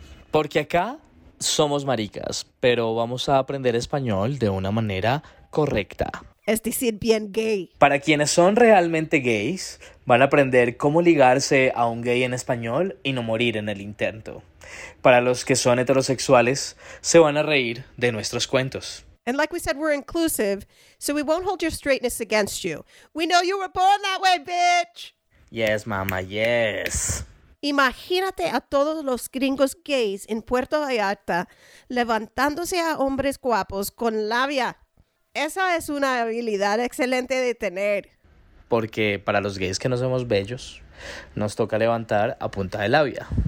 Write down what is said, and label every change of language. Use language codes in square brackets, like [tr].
[es] Porque acá somos maricas, pero vamos a aprender español de una manera correcta. Es decir, bien gay. Para quienes son realmente gays, van a aprender cómo ligarse a un gay en español y no morir en el intento. Para los que son heterosexuales, se van a reír de nuestros cuentos. [en] And like we said, we're inclusive, so we won't hold your straightness against you. We know you were born that way, bitch! Yes, mama, yes. [es] Imagínate a todos los gringos gays en Puerto Vallarta levantándose a hombres guapos con labia. Esa es una habilidad excelente de tener. Porque para los gays que no somos bellos, nos toca levantar a punta de labia.